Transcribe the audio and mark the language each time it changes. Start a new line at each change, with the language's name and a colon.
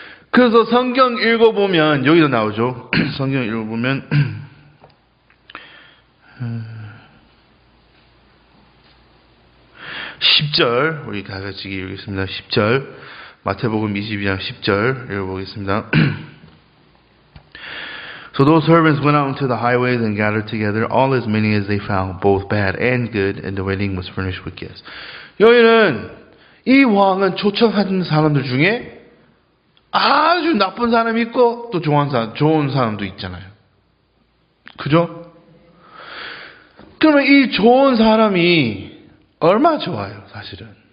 Korean: 그래서 성경 읽어보면 여기도 나오죠. 성경 읽어보면 10절, 우리 다 같이 읽겠습니다. 10절, 마태복음 22장 10절 읽어보겠습니다.
English: So those servants went out into the highways and gathered together all as many as they found, both bad and good, and the wedding was furnished with gifts.
Korean: 여기는 이 왕은 초청하는 사람들 중에 아주 나쁜 사람이 있고 또 좋은 사람도 있잖아요. 그죠? 그러면 이 좋은 사람이 얼마 좋아요, 사실은.